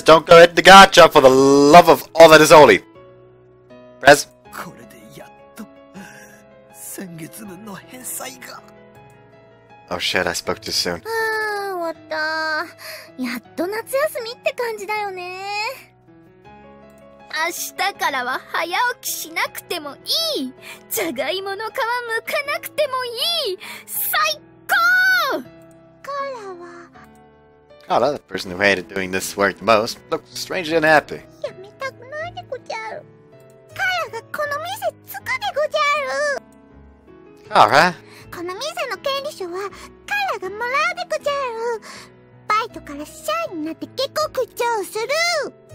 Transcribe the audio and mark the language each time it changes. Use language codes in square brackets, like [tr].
[en] Don't go hit the gacha for the love of all that is holy. Prez? [ja] これでやっと先月分の返済が… [en] Oh shit, I spoke too soon. [ja] Ah, 終わった。やっと夏休みって感じだよね。明日からは早起きしなくてもいい。じゃがいもの皮むかなくてもいい。最高。からは。 [en] Oh, the person who hated doing this work the most looked strangely unhappy. [ja] やめたくないでごじゃる。からがこの店つくでごじゃる。 [en] All right. [ja] この店の権利書はからがもらうでごじゃる。バイトから社員になって下克上する。